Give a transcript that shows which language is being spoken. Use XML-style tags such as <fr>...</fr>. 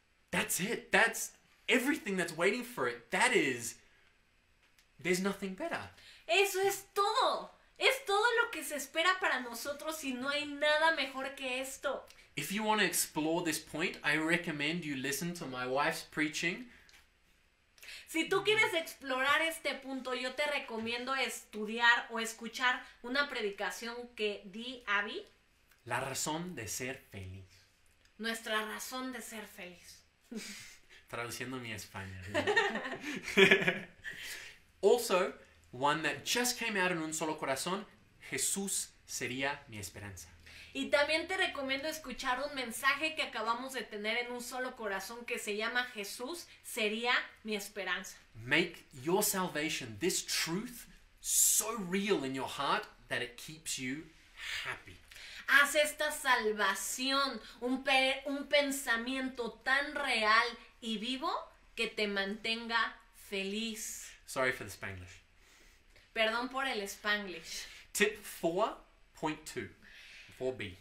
<en>That's it. That's everything that's waiting for it. That is, there's nothing better.</en> <es>Eso es todo. Es todo lo que se espera para nosotros y no hay nada mejor que esto.</es> <en>If you want to explore this point, I recommend you listen to my wife's preaching.</en> <es>Si tú quieres explorar este punto, yo te recomiendo estudiar o escuchar una predicación que di Abby. La razón de ser feliz. Nuestra razón de ser feliz. Traduciendo mi español.</es> <en>Also, one that just came out en Un Solo Corazón, Jesús sería mi esperanza.</en> <es>Y también te recomiendo escuchar un mensaje que acabamos de tener en Un Solo Corazón que se llama Jesús sería mi esperanza.</es> <en>Make your salvation, this truth, so real in your heart that it keeps you happy.</en> <es>Haz esta salvación un pensamiento tan real y vivo que te mantenga feliz.</es> <en>Sorry for the Spanglish.</en> <es>Perdón por el Spanglish.</es> <en>Tip 4.2. 4B.</en>